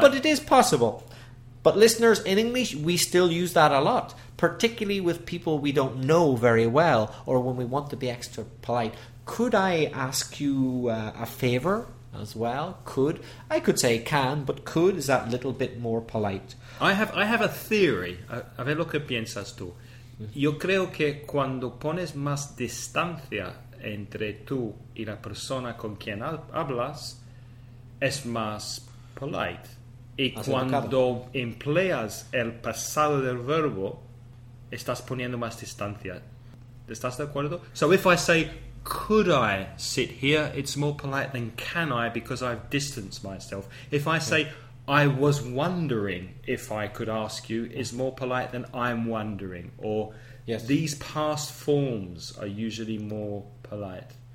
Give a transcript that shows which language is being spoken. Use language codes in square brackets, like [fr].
[en] But it is possible. But listeners, in English, we still use that a lot, particularly with people we don't know very well or when we want to be extra polite. Could I ask you a favor? As well, could. I could say can, but could is that little bit more polite. I have a theory. [es] A ver lo que piensas tú. Yo creo que cuando pones más distancia entre tú y la persona con quien hablas, es más polite. Y cuando empleas el pasado del verbo, estás poniendo más distancia. ¿Estás de acuerdo? [en] So if I say, could I sit here? It's more polite than can I, because I've distanced myself. If I say, I was wondering if I could ask you, is more polite than I'm wondering. Or yes. These past forms are usually more polite.